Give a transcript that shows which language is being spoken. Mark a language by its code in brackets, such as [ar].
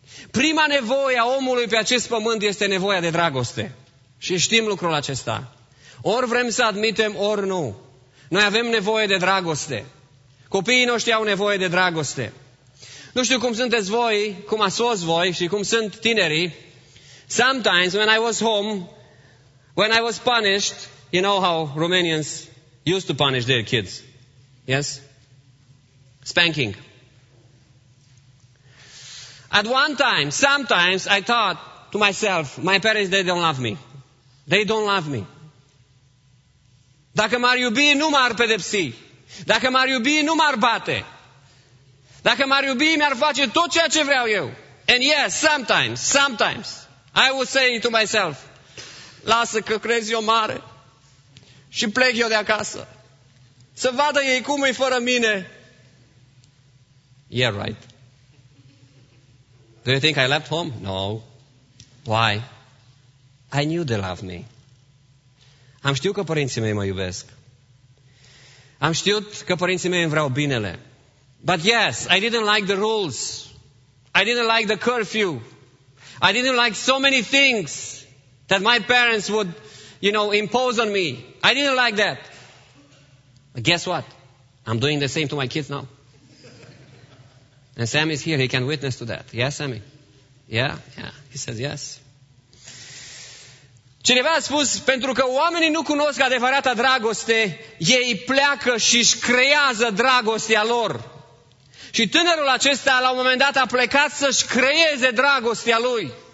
[ro] Prima nevoie a omului pe acest pământ este nevoia de dragoste. Și știm lucrul acesta. Ori vrem să admitem, ori nu. Noi avem nevoie de dragoste. Copiii noștri au nevoie de dragoste. Nu știu cum sunteți voi, cum ați fost voi și cum sunt tinerii. [en] Sometimes when I was home, when I was punished, you know how Romanians used to punish their kids. Yes? Spanking. At one time, sometimes I thought to myself, my parents, they don't love me. They don't love me. [ro] Dacă m-ar iubi, nu m-ar pedepsi. Dacă m-ar iubi, nu m-ar bate. Dacă m-ar iubi, mi-ar face tot ceea ce vreau eu. [en] And yes, sometimes, I would say to myself, [ro] lasă că crezi eu mare și plec eu de acasă. Să vadă ei cum e fără mine. [en] Yeah, right. Do you think I left home? No. Why? I knew they loved me. [ro] Am știut că părinții mei mă iubesc. Am știut că părinții mei îmi vreau binele. [en] But yes, I didn't like the rules. I didn't like the curfew. I didn't like so many things that my parents would, you know, impose on me. I didn't like that. But guess what? I'm doing the same to my kids now. And Sammy is here, he can witness to that. Yes, Sammy? Yeah, he says yes. [ro] Cineva a spus, pentru că oamenii nu cunosc adevărata dragoste, ei pleacă și își creează dragostea lor. Și tânărul acesta, la un moment dat, a plecat să-și creeze dragostea lui.